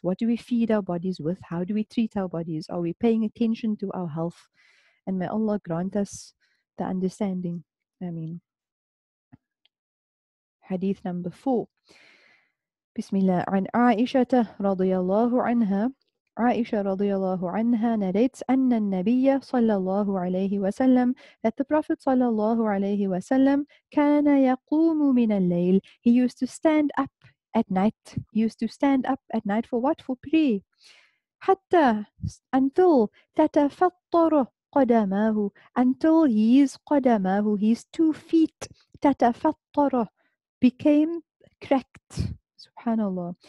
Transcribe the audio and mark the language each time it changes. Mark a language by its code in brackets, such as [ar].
[en] What do we feed our bodies with? How do we treat our bodies? Are we paying attention to our health? And may Allah grant us the understanding. I mean, hadith number 4. Bismillah. [ar] عن عائشة رضي الله عنها عائشة رضي الله عنها [en] narrates [ar] أن النبي صلى الله عليه وسلم [en] that the Prophet [ar] صلى الله عليه وسلم كان يقوم من الليل. [en] He used to stand up at night. He used to stand up at night for what? For prayer. [ar] حتى [en] until [ar] تتفطر قدماه, [en] until his [ar] قدماه, [en] his two feet [ar] تتفطر [en] became cracked. Subhanallah.